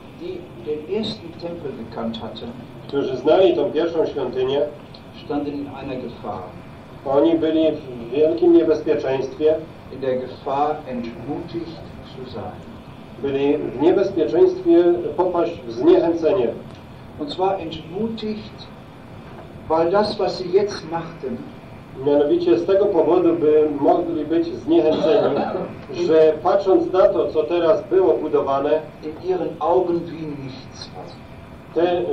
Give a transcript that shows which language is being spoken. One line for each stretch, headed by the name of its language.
German: die den ersten Tempel gekannt hatten,
Polish: którzy znali tą pierwszą świątynię,
German: standen in einer Gefahr.
Polish: Oni byli w wielkim niebezpieczeństwie,
German: in der Gefahr entmutigt zu sein.
Polish: Byli w niebezpieczeństwie popaść w zniechęcenie.
German: Und zwar entmutigt, weil das, was sie jetzt machten,
Polish: mianowicie z tego powodu, by mogli być zniechęceni, że patrząc na to, co teraz było budowane,
German: in ihren Augen wie nichts war.